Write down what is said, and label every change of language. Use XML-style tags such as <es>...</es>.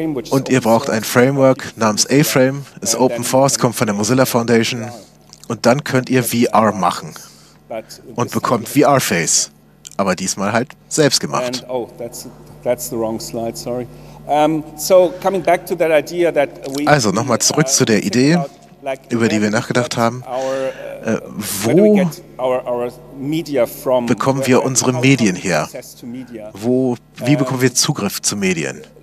<de>Und ihr braucht ein Framework namens A-Frame, ist Open Source, kommt von der Mozilla Foundation. Und dann könnt ihr VR machen und bekommt VR-Face, aber diesmal halt selbst gemacht.</de> <en>Oh, that's the wrong slide, sorry. So coming back to that idea that we</en> <de>also nochmal zurück zu der Idee, über die wir nachgedacht haben. Wo bekommen wir unsere Medien her? Wie bekommen wir Zugriff zu Medien?</de>